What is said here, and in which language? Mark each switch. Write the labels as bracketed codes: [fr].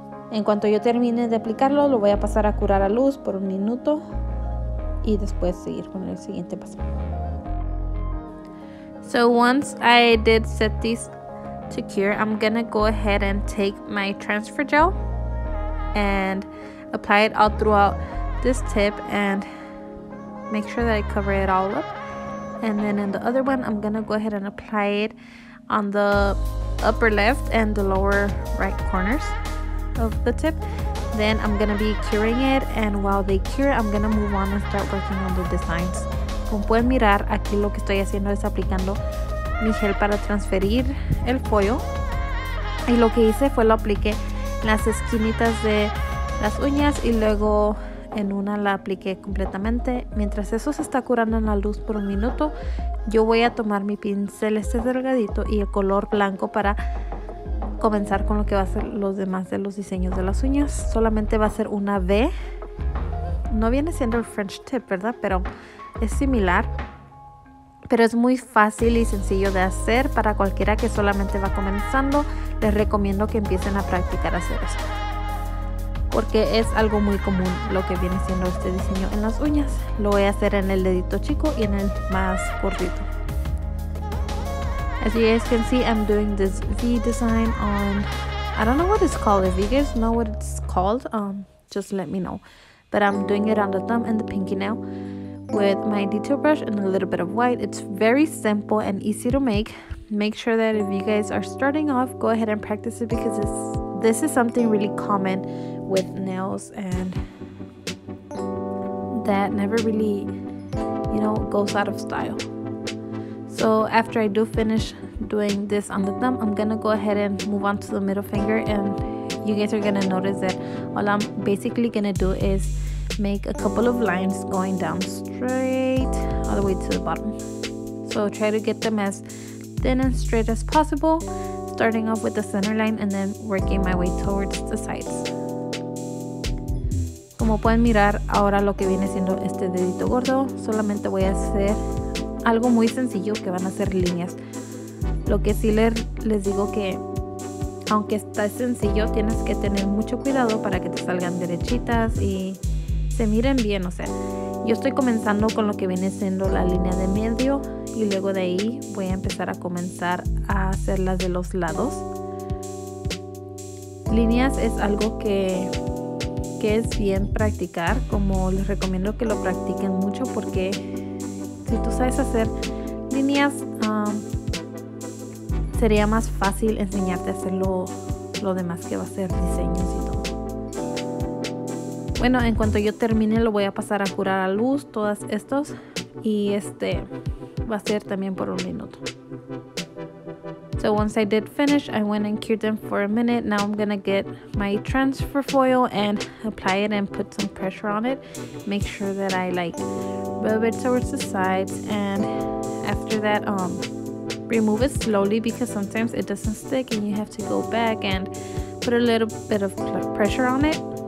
[es] En cuanto yo termine de aplicarlo, lo voy a pasar a curar a luz por un minuto y después seguir con el siguiente paso. [en] So once I did set this to cure, I'm gonna go ahead and take my transfer gel and apply it all throughout this tip and make sure that I cover it all up. And then in the other one, I'm gonna go ahead and apply it on the upper left and the lower right corners of the tip. Then I'm gonna be curing it, and while they cure, I'm gonna move on and start working on the designs. [es] Como pueden mirar, aquí lo que estoy haciendo es aplicando mi gel para transferir el foil, y lo que hice fue lo apliqué en las esquinitas de las uñas y luego en una la apliqué completamente. Mientras eso se está curando en la luz por un minuto, yo voy a tomar mi pincel delgadito y el color blanco para comenzar con lo que va a ser los demás de los diseños de las uñas. Solamente va a ser una V, no viene siendo el French tip, ¿verdad? Pero es similar. Pero es muy fácil y sencillo de hacer para cualquiera que solamente va comenzando. Les recomiendo que empiecen a practicar hacer esto, porque es algo muy común lo que viene siendo este diseño en las uñas. Lo voy a hacer en el dedito chico y en el más gordito. [en] As you guys can see, I'm doing this V design on, I don't know what it's called. If you guys know what it's called, just let me know. But I'm doing it on the thumb and the pinky nail with my detail brush and a little bit of white. It's very simple and easy to make. Make sure that if you guys are starting off, go ahead and practice it, because this is something really common with nails and that never really, you know, goes out of style. So after I do finish doing this on the thumb, I'm gonna go ahead and move on to the middle finger, and you guys are gonna notice that all I'm basically gonna do is make a couple of lines going down straight all the way to the bottom. So try to get them as thin and straight as possible, starting off with the center line and then working my way towards the sides. [es] Como pueden mirar, ahora lo que viene siendo este dedito gordo, solamente voy a hacer algo muy sencillo, que van a ser líneas. Lo que sí les digo que, aunque está sencillo, tienes que tener mucho cuidado para que te salgan derechitas y se miren bien, o sea, Yo estoy comenzando con lo que viene siendo la línea de medio y luego de ahí voy a empezar a comenzar a hacer las de los lados. Líneas es algo que es bien practicar, como les recomiendo que lo practiquen mucho, porque si tú sabes hacer líneas, sería más fácil enseñarte a hacer lo demás, que va a ser diseños y todo. Bueno, en cuanto yo termine, lo voy a pasar a curar a luz, todas estos, y este va a ser también por un minuto. [en] So once I did finish, I went and cured them for a minute. Now I'm gonna get my transfer foil and apply it and put some pressure on it. Make sure that I like rub it towards the sides, and after that, remove it slowly, because sometimes it doesn't stick and you have to go back and put a little bit of pressure on it.